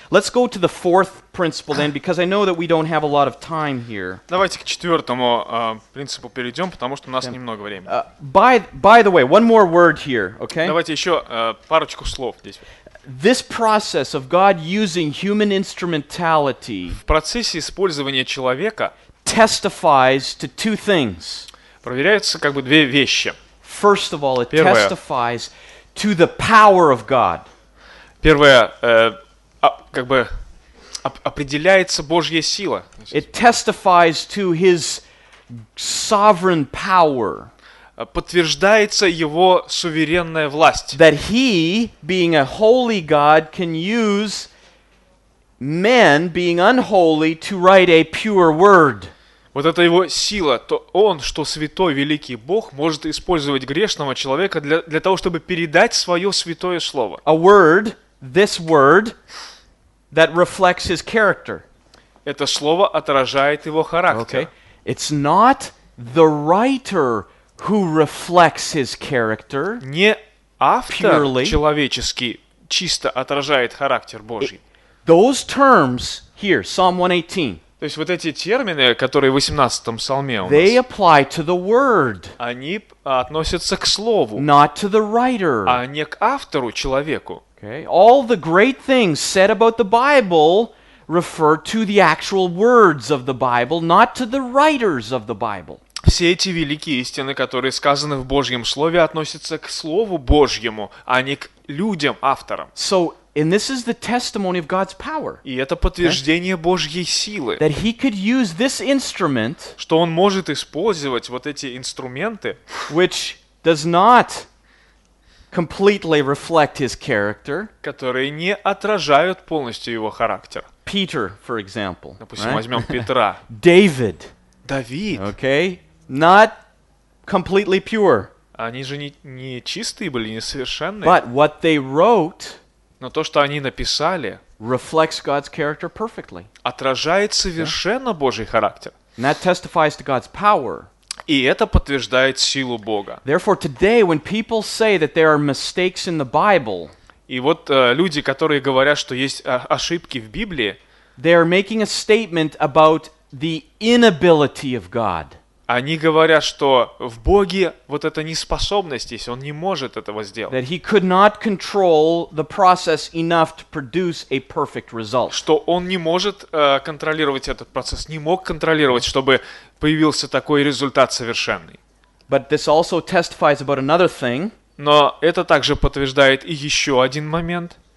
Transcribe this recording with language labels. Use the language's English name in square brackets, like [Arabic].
[English] Let's go to the fourth principle then, because I know that we don't have a lot of time here. [Russian] Давайте к четвертому принципу перейдем, потому что у нас немного времени. [English] By the way, one more word here, okay? [Russian] Давайте еще парочку слов здесь. [English] This process of God using human instrumentality [Russian] в процессе использования человека [English] testifies to two things. [Russian] Проверяются как бы две вещи. [English] First of all, it testifies to the power of God. [Russian] Первое, как бы определяется Божья сила. [English] It testifies to his sovereign power. [Russian] Подтверждается его суверенная власть. [English] That he, being a holy God, can use men, being unholy, to write a pure word. [Russian] Вот это его сила, то он, что святой, великий Бог, может использовать грешного человека для того, чтобы передать свое святое слово. [English] A word, this word, that reflects his character. [Russian] Это слово отражает его характер. [English] Okay. It's not the writer who reflects his character. [Russian] Не автор человеческий чисто отражает характер Божий. [English] Those terms here, Psalm 118. [Russian] То есть вот эти термины, которые в 18-м псалме у нас. [English] They apply to the word. [Russian] Они относятся к слову. [English] Not to the writer. [Russian] А не к автору, человеку. [English] Okay. All the great things said about the Bible refer to the actual words of the Bible, not to the writers of the Bible. [Russian] Все эти великие истины, которые сказаны в Божьем Слове, относятся к Слову Божьему, а не к людям, авторам. [English] So, and this is the testimony of God's power. [Russian] И это подтверждение Божьей силы. [English] That he could use this instrument, [Russian] что он может использовать вот эти инструменты, [English] which does not completely reflect his character, [Russian] которые не отражают полностью его характер. [English] Peter, for example. [Russian] Допустим, right? Возьмем Петра. [English] David. [Russian] David. [English] Okay. Not completely pure. [Russian] Они же не чистые были, не совершенные. [English] But what they wrote, [Russian] но то, что они написали, [English] reflects God's character perfectly. [Russian] Отражает совершенно yeah. Божий характер. [English] And that testifies to God's power. [Russian] И это подтверждает силу Бога. [English] Therefore, today, when people say that there are mistakes in the Bible, [Russian] и вот люди, которые говорят, что есть ошибки в Библии, [English] they are making a statement about the inability of God. [Russian] Они говорят, что в Боге вот эта неспособность есть, он не может этого сделать. [English] That he could not control the process enough to produce a perfect result. [Russian] Что он не может контролировать этот процесс, не мог контролировать, чтобы появился такой результат совершенный. [English] But this also testifies about another thing. [Russian] Но это также подтверждает и еще один момент.